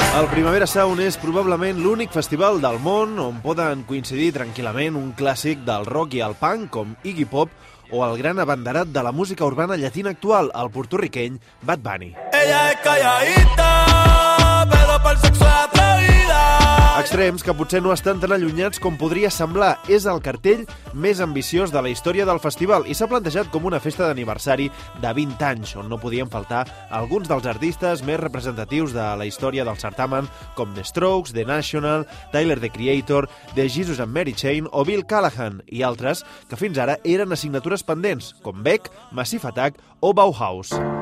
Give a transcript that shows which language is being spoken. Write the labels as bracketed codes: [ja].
[ca] Primavera Sound és probablement l'únic festival del món on poden coincidir tranquil·lament un clàssic del rock i el punk com Iggy Pop o el gran abanderat de la música urbana llatina actual, el porto-riqueny Bad Bunny. [es] Ella es calladita, pero pel sexo es atrevida. [ca] Extrems que potser no estan tan allunyats com podria semblar. És el cartell més ambiciós de la història del festival i s'ha plantejat com una festa d'aniversari de 20 anys, on no podien faltar alguns dels artistes més representatius de la història del certamen, com The Strokes, The National, Tyler, The Creator, The Jesus and Mary Chain o Bill Callahan, i altres que fins ara eren assignatures pendents, com Beck, Massive Attack o Bauhaus.